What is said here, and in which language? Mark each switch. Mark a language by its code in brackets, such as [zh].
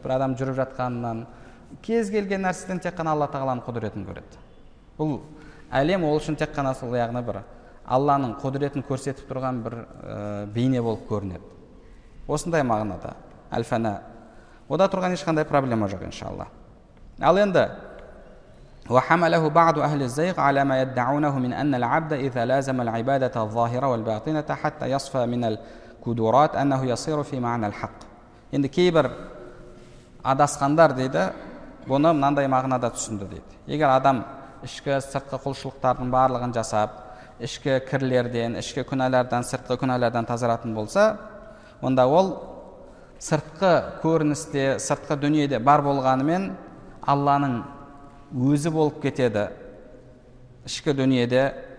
[kk] Бір адам жүріп жатқанынан, кез келген нәрседен тек қана Алла Тағаланың құдіретін көреді. Бұл әлем ол үшін тек қана сол яғни бір Алланың құдіретін көрсетіп тұрған бір бейне болып көрінеді. Осындай мағынада әл-фана. Ода тұрған ешқандай проблема жоқ иншалла. Ал енді [ar] وحملَهُ بعضُ أهلِ الزيغ على ما يدعونهُ من أن العبدَ إذا لازمَ العبادةَ الظاهرةَ والباطنةَ حتى يصفى من الكدورات أنه يصير في معنى الحق. [kk] Енді кейбір адасқандар дейді, бұны мынандай мағынада түсінді дейді. Егер адам ішкі сыртқы құлшылықтардың барлығын жасап, ішкі кірлерден, ішкі күнәлерден, сыртқы күнәлерден тазаратын болса, онда ол сыртқы көріністе, сыртқы дүниеде бар болғанымен Алланың өзі болып кетеді ішкі дүниеде.